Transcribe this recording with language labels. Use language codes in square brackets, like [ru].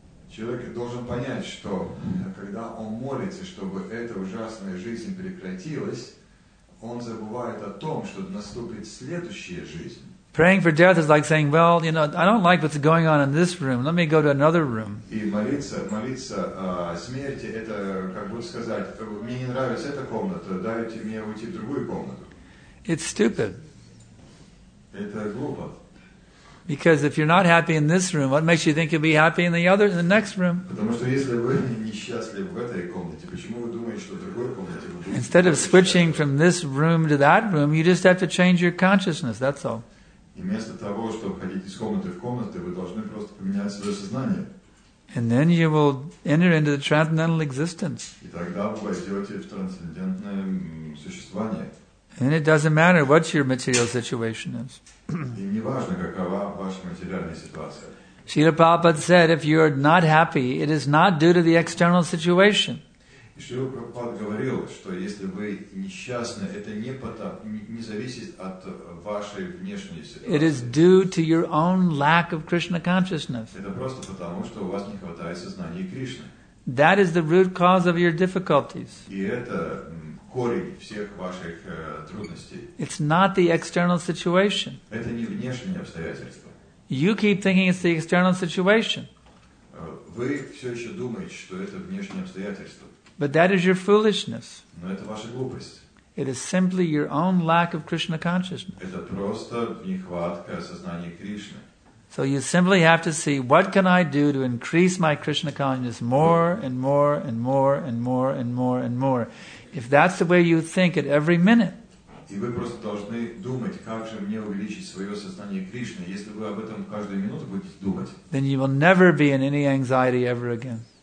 [ru] Человек должен понять, что когда он молится, молится, чтобы эта ужасная жизнь прекратилась, он забывает о том, что наступит следующая жизнь. [en] Praying for death is like saying, well, you know, I don't like what's going on in this room. Let me go to another room. [ru] И молиться о смерти, это как бы сказать, мне не нравится эта комната, дайте мне уйти в другую комнату. [en] It's stupid. [ru] Это глупо. [en] Because if you're not happy in this room, what makes you think you'll be happy in the other, in the next room? [ru] Потому что если вы несчастливы в этой комнате, почему вы думаете, что в другой комнате вы будете? [en] Instead of switching from this room to that room, you just have to change your consciousness. That's all. [ru] И вместо того, чтобы ходить из комнаты в комнату, вы должны просто поменять свое сознание. [en] And then you will enter into the transcendental existence. [ru] И тогда вы войдете в трансцендентное существование. [en] And it doesn't matter what your material situation is. [ru] И неважно, какова ваша материальная ситуация. [en] Srila Prabhupada said, if you are not happy, it is not due to the external situation. [ru] И Srila Prabhupada говорил, что если вы несчастны, это не зависит от вашей внешней ситуации. [en] It is due to your own lack of Krishna consciousness. [ru] Это просто потому, что у вас не хватает сознания Кришны. [en] That is the root cause of your difficulties. [ru] И это корень всех ваших трудностей. [en] It's not the external situation. [ru] Это не внешние обстоятельства. [en] You keep thinking it's the external situation. [ru] Вы все еще думаете, что это внешние обстоятельства. [en] But that is your foolishness. [ru] Но это ваша глупость. [en] It is simply your own lack of Krishna consciousness. [ru] Это просто нехватка сознания Кришны. [en] So you simply have to see, what can I do to increase my Krishna consciousness more and more and more and more and more and more? If that's the way you think at every minute. [ru] И вы просто должны думать, как же мне увеличить свое сознание Кришны. Если вы об этом каждую минуту будете думать. [en] Then you will never be in any anxiety ever again.